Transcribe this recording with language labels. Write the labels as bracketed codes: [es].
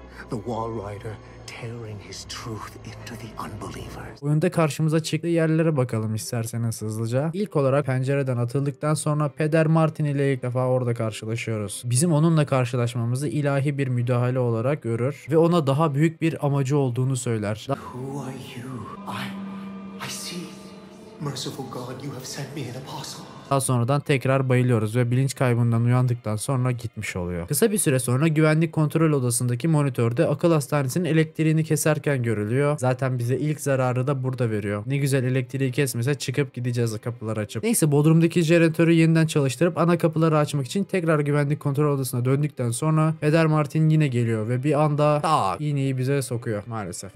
[en] The Wall Rider tearing his truth into the unbelievers. [tr] Oyunda karşımıza çıktığı yerlere bakalım isterseniz hızlıca. İlk olarak pencereden atıldıktan sonra Peder Martin ile ilk defa orada karşılaşıyoruz. Bizim onunla karşılaşmamızı ilahi bir müdahale olarak görür ve ona daha büyük bir amacı olduğunu söyler. [en] Who are you? I see. Merciful God, you have sent me an apostle. [tr] Daha sonradan tekrar bayılıyoruz ve bilinç kaybından uyandıktan sonra gitmiş oluyor. Kısa bir süre sonra güvenlik kontrol odasındaki monitörde akıl hastanesinin elektriğini keserken görülüyor. Zaten bize ilk zararı da burada veriyor. Ne güzel elektriği kesmese çıkıp gideceğiz kapıları açıp. Neyse, bodrumdaki jeneratörü yeniden çalıştırıp ana kapıları açmak için tekrar güvenlik kontrol odasına döndükten sonra Peder Martin yine geliyor ve bir anda iğneyi bize sokuyor maalesef.